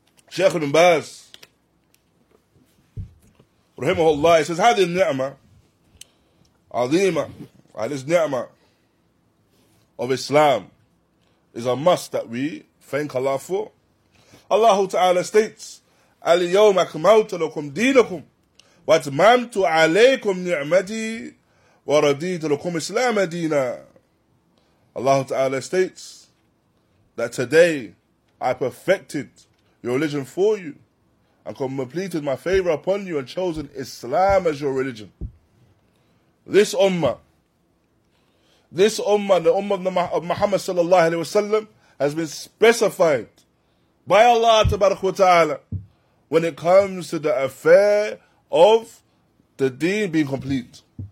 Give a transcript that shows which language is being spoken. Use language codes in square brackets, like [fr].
[en] Shaykh ibn Baz, rahimahullah, he says, [ar] هذه النعمة عظيمة على النعمة [en] of Islam is a must that we thank Allah for. Allah Ta'ala states, [ar] أَلْيَوْمَ أَكْمَلْتُ لَكُمْ دِينَكُمْ وَأَتْمَمْتُ عَلَيْكُمْ نِعْمَتِي وَرَضِيتُ لَكُمْ إِسْلَامَ دِينًا. [en] Allah Ta'ala states that today I perfected your religion for you and completed my favor upon you and chosen Islam as your religion. This ummah, the ummah of Muhammad sallallahu alaihi wasallam, has been specified by Allah tabarak wa ta'ala when it comes to the affair of the deen being complete.